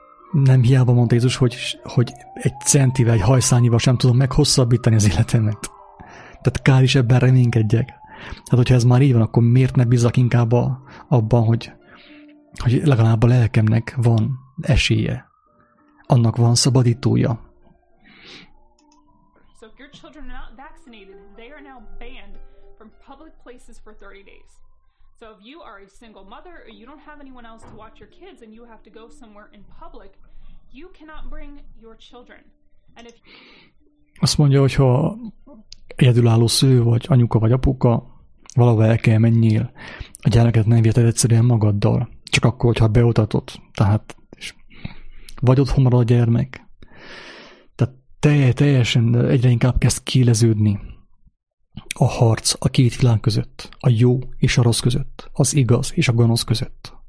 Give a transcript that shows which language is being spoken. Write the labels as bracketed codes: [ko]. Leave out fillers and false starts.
[hu] Nem hiába mondta Jézus, hogy egy centivel, egy hajszányival sem tudom meghosszabbítani az életemet. Tehát kár is ebben reménykedjek. Hát hogyha ez már így van, akkor miért ne bízzak inkább abban, hogy legalább a lelkemnek van esélye. Annak van szabadítója. [en] So if your children are not vaccinated, they are now banned from public places for 30 days. So if you are a single mother or you don't have anyone else to watch your kids and you have to go somewhere in public, you cannot bring your children. And if [hu] azt mondja, hogy ha egyedülálló szülő vagy, anyuka vagy apuka, valahova el kell menjél, a gyereket nem viheted egyszerűen magaddal, csak akkor, hogyha beutatott, tehát vagy otthon marad a gyermek. Tehát teljesen egyre inkább kezd kéleződni a harc a két világ között, a jó és a rossz között, az igaz és a gonosz között.